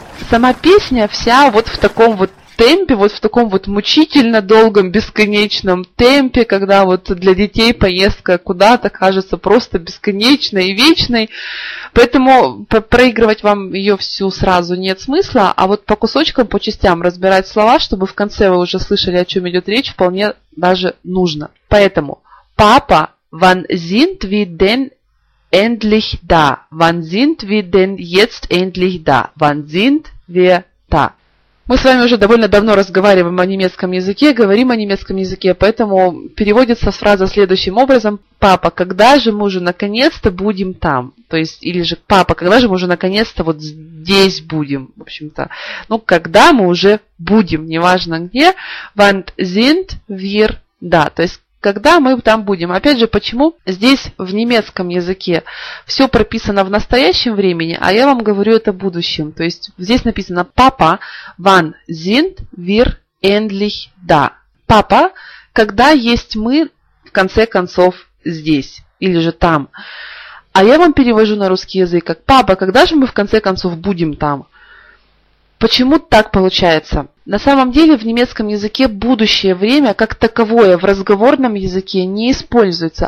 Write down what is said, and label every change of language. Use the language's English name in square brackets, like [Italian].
[Russian] Сама песня вся вот в таком вот темпе, вот в таком вот мучительно долгом, бесконечном темпе, когда вот для детей поездка куда-то кажется просто бесконечной и вечной. Поэтому проигрывать вам ее всю сразу нет смысла, а вот по кусочкам, по частям разбирать слова, чтобы в конце вы уже слышали, о чем идет речь, вполне даже нужно. Поэтому «Папа, [German] wann sind wir denn endlich da? Wann sind wir denn jetzt endlich da? Wann sind wir da?» [Russian] Мы с вами уже довольно давно разговариваем о немецком языке, говорим о немецком языке, поэтому переводится фраза следующим образом: «Папа, когда же мы уже наконец-то будем там?» То есть, или же «Папа, когда же мы уже наконец-то вот здесь будем?» В общем-то, ну, «когда мы уже будем?» Неважно где. [German] «Wann sind wir da?» [Russian] То есть, когда мы там будем. Опять же, почему здесь в немецком языке все прописано в настоящем времени, а я вам говорю это будущем. То есть здесь написано [German] «Papa, wann sind wir endlich da?» [Russian] «Папа, когда есть мы, в конце концов, здесь?» Или же «там». А я вам перевожу на русский язык как «Папа, когда же мы, в конце концов, будем там?» Почему так получается? На самом деле в немецком языке будущее время как таковое в разговорном языке не используется.